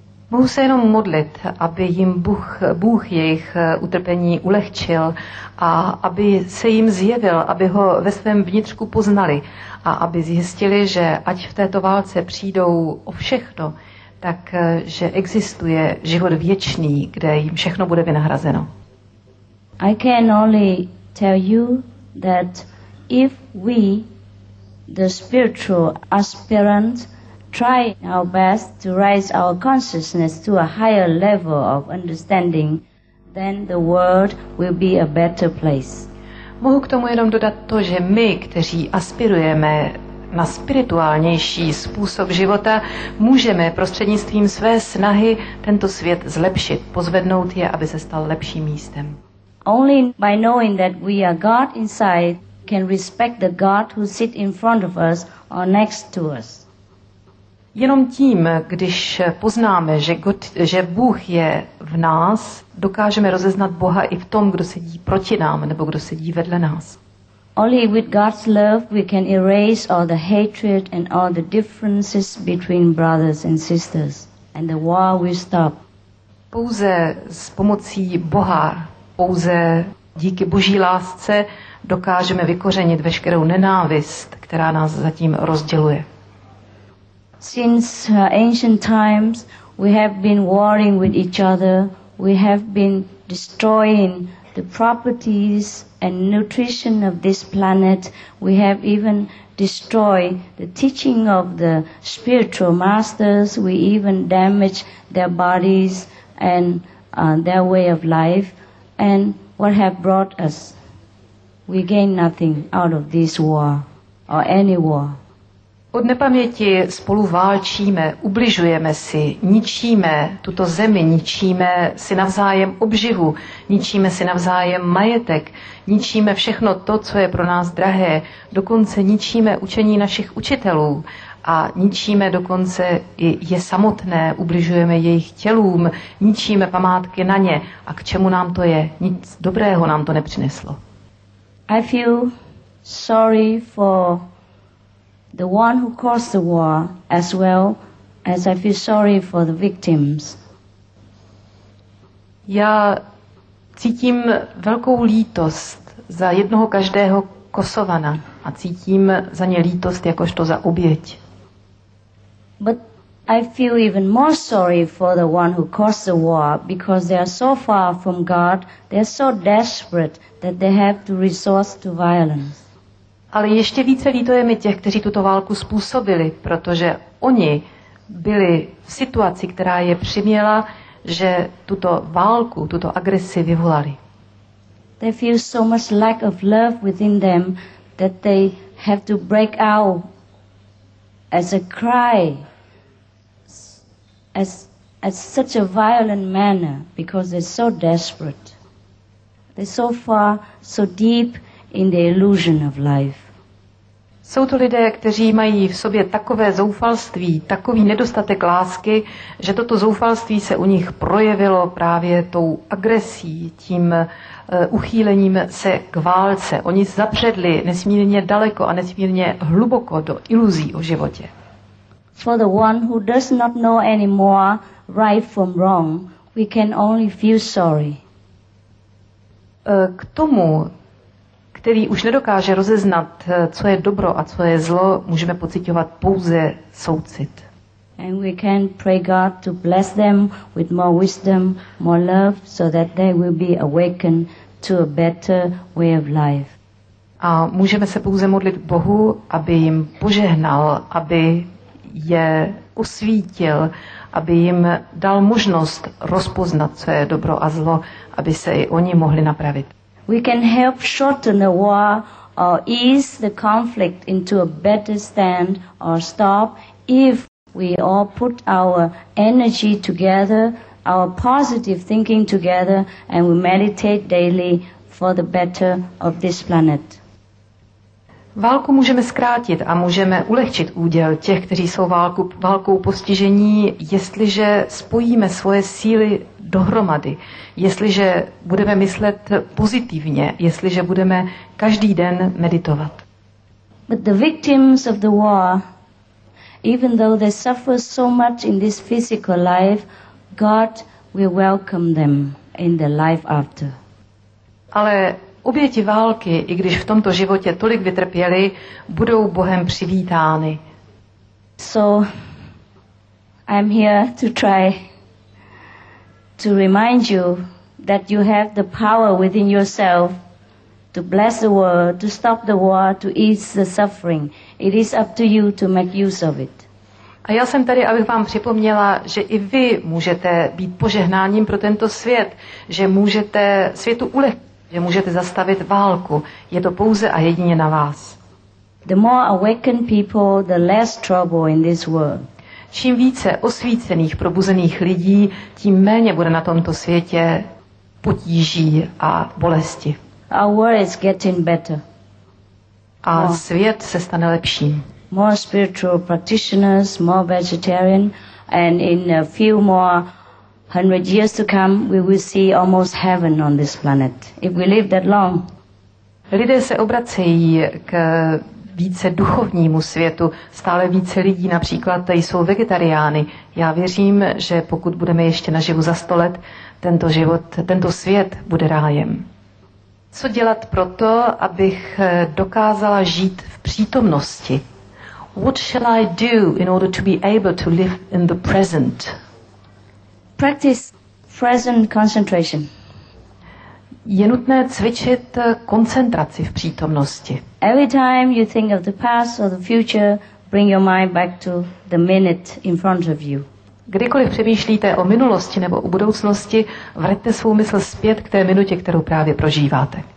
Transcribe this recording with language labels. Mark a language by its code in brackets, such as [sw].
[cs] Mohu se jenom modlit, aby jim Bůh jejich utrpení ulehčil a aby se jim zjevil, aby ho ve svém vnitřku poznali a aby zjistili, že ať v této válce přijdou o všechno, takže existuje život věčný, kde jim všechno bude vynahrazeno. [en] I can only tell you that if we, the spiritual aspirant, try our best to raise our consciousness to a higher level of understanding, then the world will be a better place. [cs] Mohu k tomu jenom dodat to, že my, kteří aspirujeme na spirituálnější způsob života, můžeme prostřednictvím své snahy tento svět zlepšit, pozvednout je, aby se stal lepším místem. [en] Only by knowing that we are God inside can respect the God who sit in front of us or next to us. [cs] Jenom tím, když poznáme, že Bůh je v nás, dokážeme rozeznat Boha i v tom, kdo sedí proti nám nebo kdo sedí vedle nás. [en] Only with God's love we can erase all the hatred and all the differences between brothers and sisters, and the war will stop. [cs] Pouze s pomocí Boha, pouze díky Boží lásce, dokážeme vykořenit veškerou nenávist, která nás zatím rozděluje. [en] Since ancient times, we have been warring with each other. We have been destroying the properties and nutrition of this planet. We have even destroyed the teaching of the spiritual masters. We even damaged their bodies and their way of life. And what have brought us? We gain nothing out of this war or any war. [cs] Od nepaměti spolu válčíme, ubližujeme si, ničíme tuto zemi, ničíme si navzájem obživu, ničíme si navzájem majetek, ničíme všechno to, co je pro nás drahé, dokonce ničíme učení našich učitelů a ničíme dokonce i je samotné, ubližujeme jejich tělům, ničíme památky na ně. A k čemu nám to je? Nic dobrého nám to nepřineslo. [en] I feel sorry for the one who caused the war, as well as I feel sorry for the victims. [cs] Já cítím velkou lítost za jednoho každého Kosovana a cítím za ně lítost jakožto za oběť. [en] But I feel even more sorry for the one who caused the war, because they are so far from God, they are so desperate that they have to resort to violence. [cs] Ale ještě více lítuje mi těch, kteří tuto válku způsobili, protože oni byli v situaci, která je přiměla, že tuto válku, tuto agresi vyvolali. [en] They feel so much lack of love within them that they have to break out as a cry, as such a violent manner, because they're so desperate. They're so far, so deep in the illusion of life. [cs] Jsou to lidé, kteří mají v sobě takové zoufalství, takový nedostatek lásky, že toto zoufalství se u nich projevilo právě tou agresí, tím uchýlením se k válce. Oni zapředli nesmírně daleko a nesmírně hluboko do iluzí o životě. [en] For the one who does not know anymore right from wrong, we can only feel sorry. [cs] K tomu, který už nedokáže rozeznat, co je dobro a co je zlo, můžeme pociťovat pouze soucit. [en] And we can pray God to bless them with more wisdom, more love, so that they will be awakened to a better way of life. [cs] A můžeme se pouze modlit Bohu, aby jim požehnal, aby je osvítil, aby jim dal možnost rozpoznat, co je dobro a zlo, aby se i oni mohli napravit. [en] We can help shorten the war or ease the conflict into a better stand or stop if we all put our energy together, our positive thinking together, and we meditate daily for the better of this planet. [cs] Válku můžeme zkrátit a můžeme ulehčit úděl těch, kteří jsou válkou postižení, jestliže spojíme svoje síly dohromady, jestliže budeme myslet pozitivně, jestliže budeme každý den meditovat. [en] But the victims of the war, even though they suffer so much in this physical life, God will welcome them in the life after. [cs] Ale oběti války, i když v tomto životě tolik vytrpěli, budou Bohem přivítány. [en] So I'm here to try to remind you that you have the power within yourself to bless the world, to stop the war, to ease the suffering. It is up to you to make use of it. [cs] A já jsem tady, abych vám připomněla, že i vy můžete být požehnáním pro tento svět, že můžete světu ulehčit že můžete zastavit válku. Je to pouze a jedině na vás. [en] The more awakened people, the less trouble in this world. [cs] Čím více osvícených, probuzených lidí, tím méně bude na tomto světě potíží a bolesti. [en] Our world is getting better. [cs] A svět se stane lepším. [en] More spiritual practitioners, more vegetarian, and in a few more hundred years to come, we will see almost heaven on this planet, if we live that long. [cs] Lidé se obracejí k více duchovnímu světu. Stále více lidí například jsou vegetariány. Já věřím, že pokud budeme ještě naživu za 100 let, tento život, tento svět bude rájem. Co dělat proto, abych dokázala žít v přítomnosti? [en] What shall I do in order to be able to live in the present? [cs] Practice present concentration. Je nutné cvičit koncentraci v přítomnosti. [en] Every time you think of the past or the future, bring your mind back to the minute in front of you. [cs] Kdykoliv přemýšlíte o minulosti nebo o budoucnosti, vraťte svou mysl zpět k té minutě, kterou právě prožíváte.